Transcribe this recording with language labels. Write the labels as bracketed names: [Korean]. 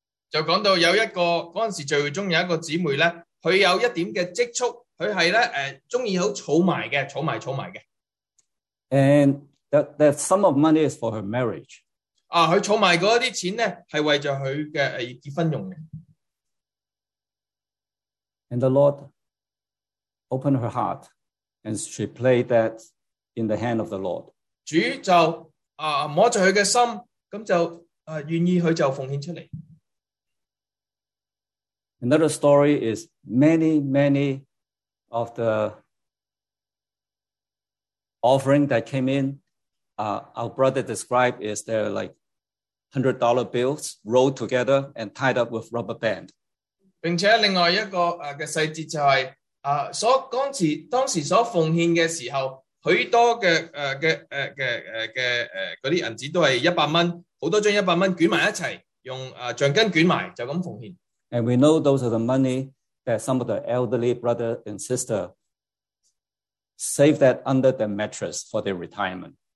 [Cantonese] 就讲到有一个嗰阵时聚会中有一个姊妹咧，佢有一点嘅积蓄，佢系咧中意好储埋嘅，储埋嘅。 [English] And that sum of money is for her marriage. [Cantonese] 佢储埋嗰啲钱咧，系为咗佢嘅结婚用嘅。 [English] And the Lord opened her heart. And she played that in the hand of the Lord. [Cantonese] 主就摸着佢嘅心，咁就愿意佢就奉献出嚟。 [English] Another story is many of the offering that came in. Our brother described is there like $100 bills rolled together and tied up with rubber band. [Cantonese] 并且另外一个嘅细节就系。所当时所奉献嘅时候，许多嘅嗰啲银纸都系$100，好多张$100卷埋一齐，用橡筋卷埋就咁奉献。 [English] And we know those are the money that some of the elderly brother and sister save that under their mattress for their retirement。